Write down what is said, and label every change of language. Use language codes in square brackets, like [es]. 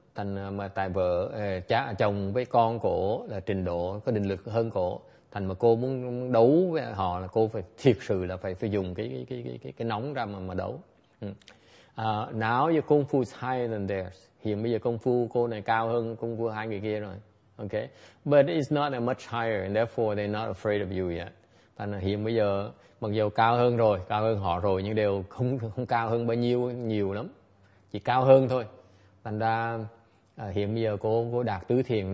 [vi] Thành mà tại vợ cha chồng với con cổ là trình độ có định lực hơn cổ, thành mà cô muốn đấu với họ là cô phải thiệt sự là phải dùng cái nóng ra mà đấu. [en] Now your kung fu is higher than theirs. [vi] Hiện bây giờ công phu cô này cao hơn công phu hai người kia rồi. [en] Okay, but it's not that much higher, and therefore they're not afraid of you yet. [vi] Thành là hiện bây giờ mặc dù cao hơn họ rồi nhưng đều không cao hơn bao nhiêu nhiều lắm, chỉ cao hơn thôi. Thành ra hiện bây giờ cô đạt tứ thiền.